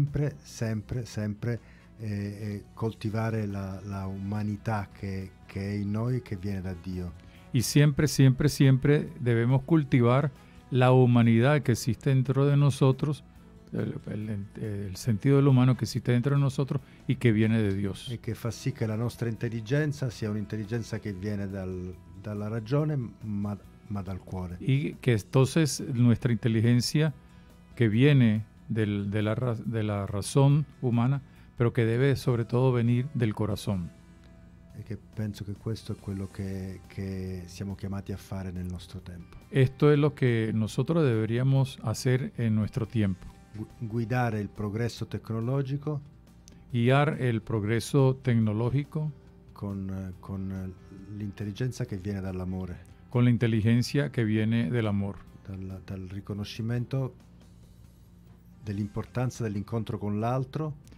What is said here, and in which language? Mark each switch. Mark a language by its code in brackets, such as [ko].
[it] e quindi sempre coltivare la umanità che è in noi, che viene da Dio. [es] Y siempre debemos cultivar la humanidad que existe dentro de nosotros, el sentido del humano que existe dentro de nosotros y que viene de Dios. [it] E che fa sì che la nostra intelligenza sia un'intelligenza che viene dalla ragione, ma dal cuore. [es] Y que entonces nuestra inteligencia que viene de la razón humana, pero que debe sobre todo venir del corazón. Y que pienso que esto es lo que [it] siamo chiamati a fare nel nostro tempo. [es] Esto es lo que nosotros deberíamos hacer en nuestro tiempo. [it] Guidare il progresso tecnologico. [es] Guiar el progreso tecnológico [it] con l'intelligenza che viene dall'amore. [es] Con la inteligencia que viene del amor. [it] Dal riconoscimento dell'importanza dell'incontro con l'altro.